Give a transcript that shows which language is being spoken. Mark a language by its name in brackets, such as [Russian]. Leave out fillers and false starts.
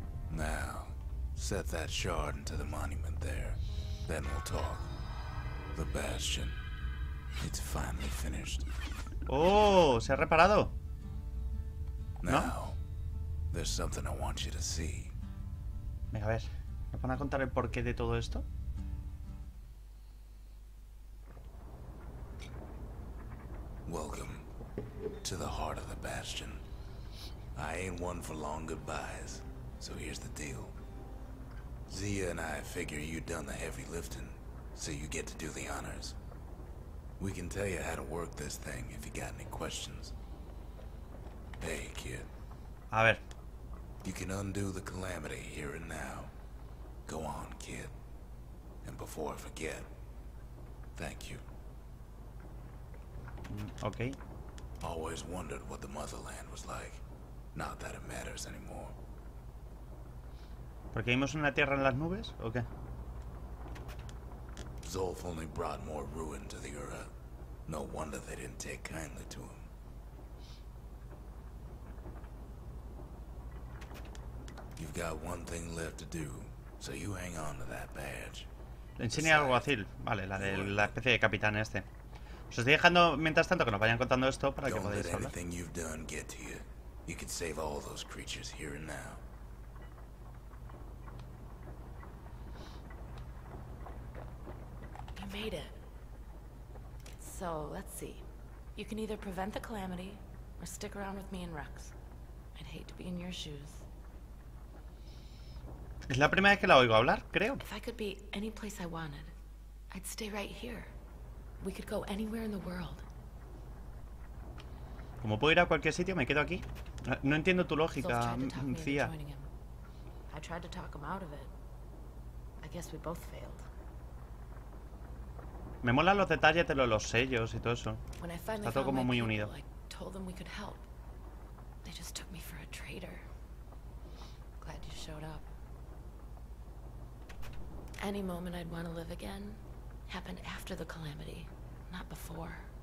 [English] Now, set that shard into the monument there. Then we'll talk. The Bastion. It's finally finished. [Spanish] Oh, se ha reparado. [English] Now, there's something I want you to see. [Spanish] Venga, a ver. ¿Me van a contar el porqué de todo esto? [English] Welcome to the heart of the Bastion. I ain't one for long goodbyes, so here's the deal. Zia and I figure you've done the heavy lifting, so you get to do the honors. We can tell you how to work this thing if you got any questions. Hey, kid. [Spanish] A ver. [English] You can undo the calamity here and now. Go on, kid. And before I forget, thank you. Okay. Always wondered what the motherland was like. Not that it matters anymore. [Spanish] ¿Por qué vimos una tierra en las nubes o qué? [English] Zulf only brought more ruin to the earth. No wonder they didn't take kindly to him. You've got one thing left to do, so you hang on to that badge. [Spanish] Le enseñé al alguacil, vale, la de la especie de capitán este. Os estoy dejando mientras tanto que nos vayan contando esto para que [English] Don't let [Spanish] podáis hablar. [English] Anything you've done get to you. You could save all those creatures here and now. You made it. So, let's see. You can either prevent the calamity or stick around with me and Rex. I'd hate to be in your shoes. [Spanish] Es la primera vez que la oigo hablar, creo. [English] If I could be any place I wanted, I'd stay right here. We could go anywhere in the world. [Spanish] ¿Cómo puedo ir a cualquier sitio? Me quedo aquí. No entiendo tu lógica, [English] Zulf tried to talk me into [Spanish] Cía. [English] Joining him, I tried to talk him out of it. I guess we both failed. [Spanish] Me molan los detalles de los sellos y todo eso. Está todo como muy unido. [English] I told them we could help. They just took me for a traitor. Glad you showed up. Any moment I'd want to live again happened after the calamity, not before.